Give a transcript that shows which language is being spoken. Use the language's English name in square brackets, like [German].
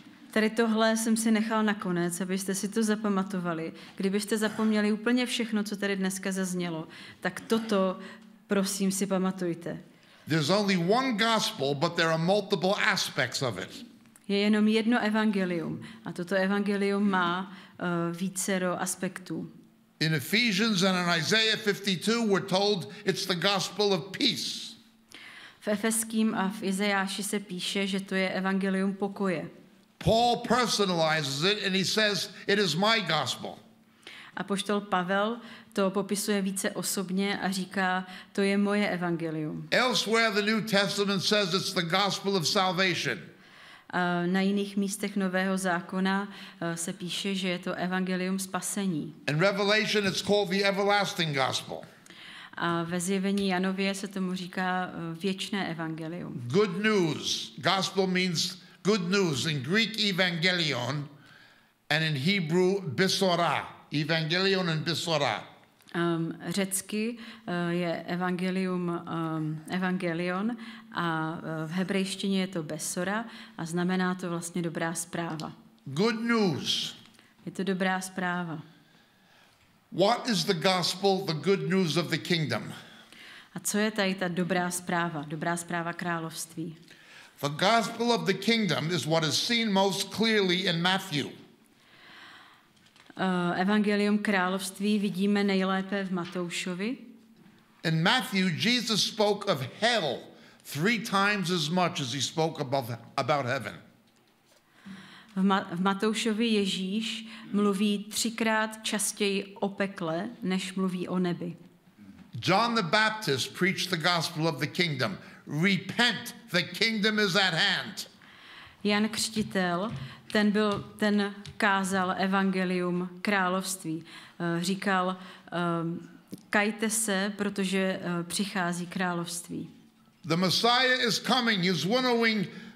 [Czech] Tady tohle jsem si nechal nakonec, abyste si to zapamatovali. Kdybyste zapomněli úplně všechno, co tady dneska zaznělo, tak toto, prosím, si pamatujte. [English] There's only one gospel, but there are multiple aspects of it. [Czech] Je jenom jedno evangelium a toto evangelium má vícero aspektů. [English] In Ephesians and in Isaiah 52 we're told it's the gospel of peace. [Czech] V Efeským a v Izajáši se píše, že to je evangelium pokoje. [English] Paul personalizes it and he says it is my gospel. [Czech] Apoštol Pavel to popisuje více osobně a říká, to je moje evangelium. [English] Elsewhere the New Testament says it's the gospel of salvation. [Czech] Na jiných místech Nového zákona se píše, že je to evangelium spasení. [English] In Revelation it's called the everlasting gospel. [Czech] A ve zjevení Janově se tomu říká věčné evangelium. [English] Good news. Gospel means good news in Greek evangelion and in Hebrew besora. Evangelion and besora. [Czech] Řecky je evangelium evangelion a v hebrejštině je to besora a znamená to vlastně dobrá zpráva. [English] Good news. [Czech] Je to dobrá zpráva. [English] What is the gospel, the good news of the kingdom? [Czech] A co je tady ta dobrá zpráva království? [English] The gospel of the kingdom is what is seen most clearly in Matthew. [Czech] Evangelium království vidíme nejlépe v Matoušovi. [English] In Matthew, Jesus spoke of hell three times as much as he spoke about heaven. [Czech] V Matoušovi Ježíš mluví třikrát častěji o pekle, než mluví o nebi. [English] John the Baptist preached the gospel of the kingdom. Repent, the kingdom is at hand. [Czech] Jan Křtitel, ten kázal evangelium království. Říkal, kajte se, protože přichází království. [English] The Messiah is coming, he's winnowing.